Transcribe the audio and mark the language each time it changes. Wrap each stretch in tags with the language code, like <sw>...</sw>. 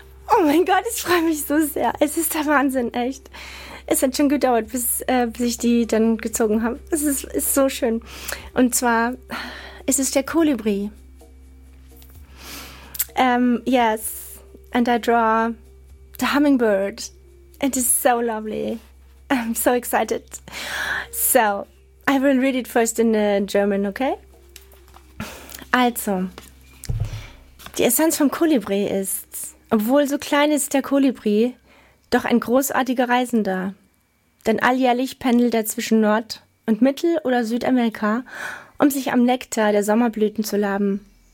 <de>Oh mein Gott, ich freue mich so sehr. Es ist der Wahnsinn, echt. Es hat schon gedauert, bis ich die dann gezogen habe. Es ist so schön. Und zwar, es ist der Kolibri.</de> <en>Yes, and I draw the hummingbird. It is so lovely. I'm so excited. So, I will read it first in German, okay?</en> <de>Also, die Essenz vom Kolibri ist, obwohl so klein ist der Kolibri, doch ein großartiger Reisender. Denn alljährlich pendelt er zwischen Nord- und Mittel- oder Südamerika, um sich am Nektar der Sommerblüten zu laben.</de>